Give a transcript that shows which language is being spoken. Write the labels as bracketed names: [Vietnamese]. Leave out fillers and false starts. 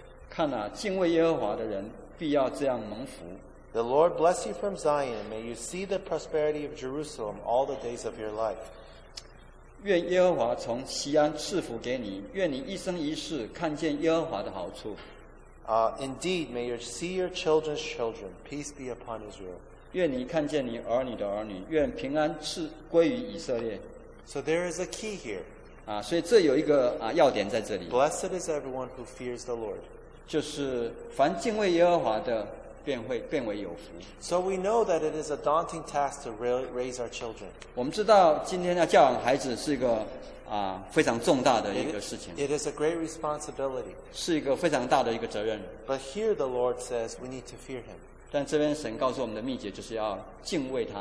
[Chinese] 看啊，敬畏耶和华的人必要这样蒙福。 [English] The Lord bless you from Zion. May you see the prosperity of Jerusalem all the days of your life. [Chinese] 愿耶和华从锡安赐福给你，愿你一生一世看见耶和华的好处。 [English] Indeed, may you see your children's children. Peace be upon Israel. [Chinese] 愿你看见你儿女的儿女，愿平安赐归于以色列。 [English] So there is a key here. [Chinese] 啊，所以这有一个啊要点在这里。 [English] Blessed is everyone who fears the Lord. [Chinese] 就是凡敬畏耶和华的，便会变为有福。 [English] So we know that it is a daunting task to raise our children. [Chinese] 我们知道今天要教养孩子是一个啊非常重大的一个事情。 [English] It is a great responsibility. [Chinese] 是一个非常大的一个责任。 [English] But here the Lord says we need to fear Him. [Chinese] 但这边神告诉我们的秘诀就是要敬畏他。